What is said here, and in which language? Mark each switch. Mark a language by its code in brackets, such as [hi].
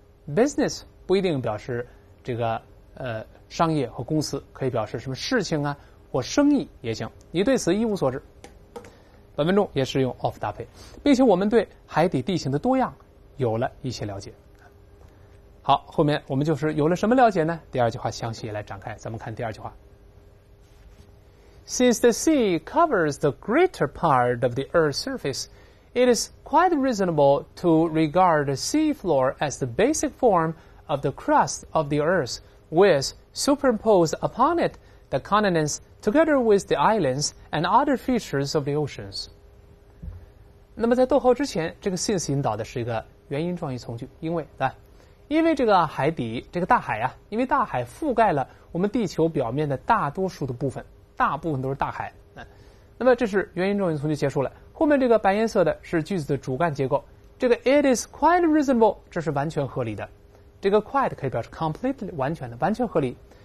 [zh] Business 不一定表示这个商业和公司，可以表示什么事情啊或生意也行，你对此一无所知。本文中也是用 of 搭配，并且我们对海底地形的多样有了一些了解。好，后面我们就是有了什么了解呢？第二句话详细来展开，咱们看第二句话。 [en] Since the sea covers the greater part of the Earth's surface, it is quite reasonable to regard the sea floor as the basic form of the crust of the Earth, with superimposed upon it the continents. Together with the islands and other features of the oceans. [zh] 那么在逗号之前，这个 since 引导的是一个原因状语从句，因为，来，因为这个海底，这个大海啊，因为大海覆盖了我们地球表面的大多数的部分，大部分都是大海。那么这是原因状语从句结束了，后面这个白颜色的是句子的主干结构，这个 [en] it is quite reasonable， [zh] 这是完全合理的，这个 quite 可以表示 completely 完全的，完全合理。